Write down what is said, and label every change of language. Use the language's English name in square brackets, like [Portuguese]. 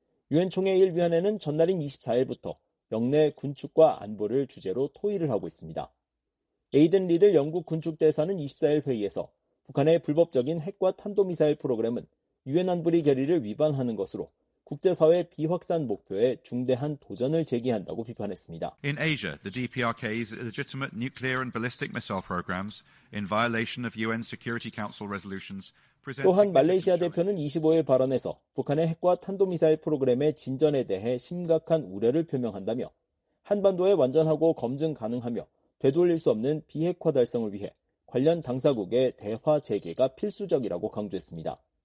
[Korean] 유엔 총회 1위원회는 전날인 24일부터 영내 군축과 안보를 주제로 토의를 하고 있습니다. 에이든 리들 영국 군축대사는 24일 회의에서 북한의 불법적인 핵과 탄도미사일 프로그램은 유엔 안보리 결의를 위반하는 것으로 국제사회 비확산 목표에 중대한 도전을 제기한다고 비판했습니다. [English] In Asia, the DPRK's legitimate nuclear and ballistic missile programs in violation of UN Security Council resolutions [Korean] 또한 말레이시아 대표는 25일 발언에서 북한의 핵과 탄도미사일 프로그램의 진전에 대해 심각한 우려를 표명한다며 한반도에 완전하고 검증 가능하며 되돌릴 수 없는 비핵화 달성을 위해 관련 당사국의 대화 재개가 필수적이라고 강조했습니다.